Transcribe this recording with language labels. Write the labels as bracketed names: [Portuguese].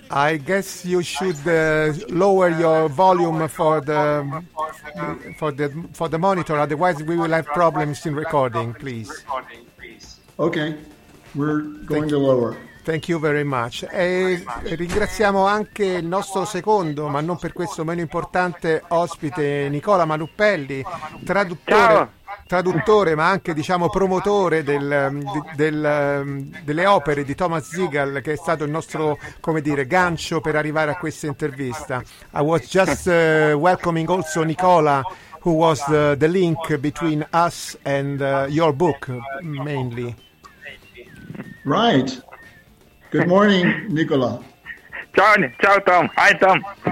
[English] I guess you should lower your volume for the monitor, otherwise we will have problems in recording, please. Okay, we're going to lower. Thank you very much. [Italian] E ringraziamo anche il nostro secondo, ma non per questo meno importante, ospite, Nicola Maluppelli, traduttore. Ciao. Traduttore, ma anche diciamo promotore delle opere di Thomas Ziegel, che è stato il nostro, come dire, gancio per arrivare a questa intervista. [English] I was just welcoming also Nicola, who was the link between us and your book mainly. Right. Good morning, Nicola. [Italian] Ciao Tom. [English] Hi Tom.